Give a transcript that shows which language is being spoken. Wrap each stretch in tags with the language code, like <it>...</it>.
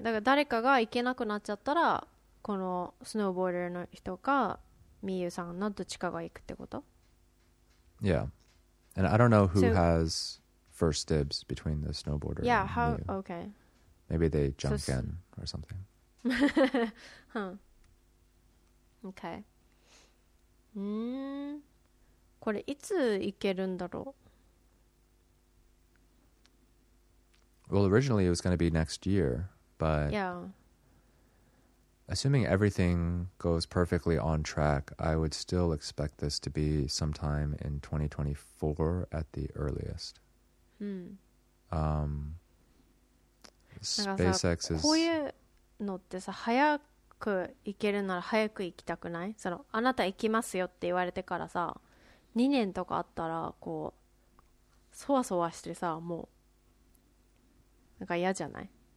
<ja>だから誰かが行けなくなっちゃったら、このスノーボーダーの人か、ミユさんのどっちかが行くってこと?</ja> <en>Yeah. And I don't know who has first dibs between the snowboarder and Miu. Okay. Maybe they jump in or something. Okay.</en> <ja>これいつ行けるんだろう?</ja> <en>Well, originally it was going to be next year, but... Yeah. Assuming everything goes perfectly on track, I would still expect this to be sometime in 2024 at the earliest. SpaceX is...</en> <ja>こういうのってさ、早く行けるなら早く行きたくない? その、あなた行きますよって言われてからさ、2年とかあったらこう、そわそわしてさ、もう、なんか嫌じゃない?</ja>